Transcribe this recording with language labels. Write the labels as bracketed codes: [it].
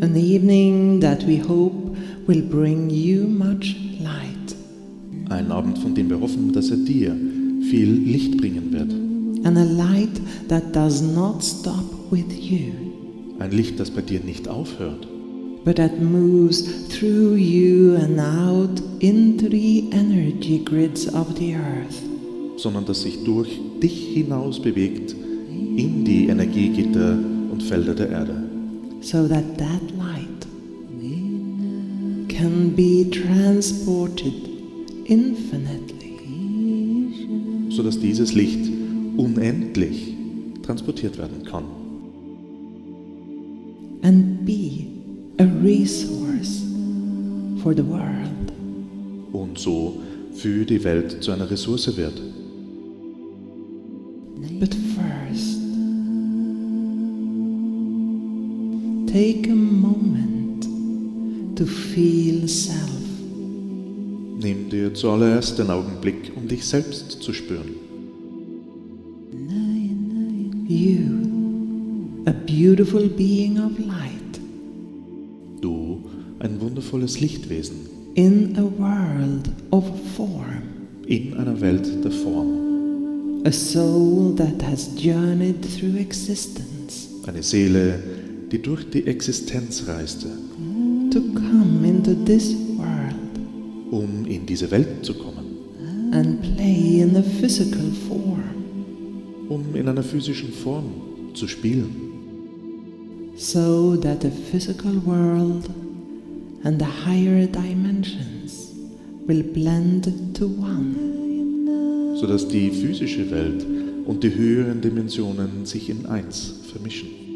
[en] An evening that we hope will bring you much light. [de] Ein Abend, von dem wir hoffen, dass er dir viel Licht bringen wird. [en] And a light that does not stop with you. [de] Ein Licht, das bei dir nicht aufhört. [en] But that moves through you and out into the energy grids of the earth. [de] Sondern das sich durch dich hinaus bewegt in die Energiegitter und Felder der Erde. [en] So that that light can be transported infinitely. [de] So dass dieses Licht unendlich transportiert werden kann. [en] And be a resource for the world. [de] Und so für die Welt zu einer Ressource wird. [en] But first, take a moment to feel self. [de] Nimm dir zuallererst den Augenblick, um dich selbst zu spüren. [en] You, a beautiful being of light. [de] Du, ein wundervolles Lichtwesen. [en] In a world of form. [de] In einer Welt der Form. [en] A soul that has journeyed through existence. [de] Eine Seele, die durch die Existenz reiste. [en] To come into this world. [de] Um in diese Welt zu kommen. [en] And play in a physical form. [de] Um in einer physischen Form zu spielen. [en] So that the physical world and the higher dimensions will blend to one. [de] So dass die physische Welt und die höheren Dimensionen sich in eins vermischen.